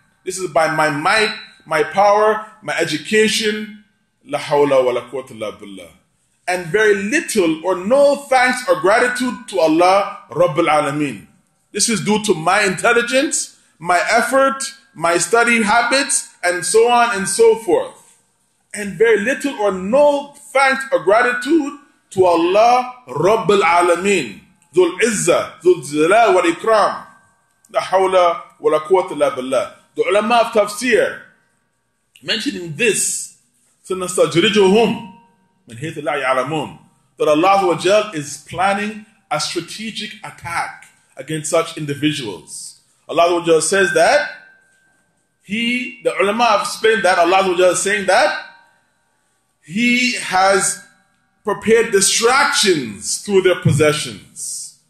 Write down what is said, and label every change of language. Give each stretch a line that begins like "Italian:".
English: This is by my might, my power, my education.
Arabic: لا حول ولا قوة إلا بالله.
English: And very little or no thanks or gratitude to Allah,
Arabic: رب العالمين.
English: This is due to my intelligence, my effort, my study habits, and so on and so forth. And very little or no thanks or gratitude to Allah,
Arabic: رب العالمين, ذُو العزة, ذُو الجلال والإكرام, لا حول ولا قوة إلا بالله.
English: The ulama of tafsir mentioning this,
Arabic: سَنَسْتَجْرِجُهُمْ مِنْ حَيْثُ لَا يَعْلَمُونَ,
English: that Allah is planning a strategic attack against such individuals. Allah says that, the ulama have explained that, Allah is saying that, he has prepared distractions through their possessions.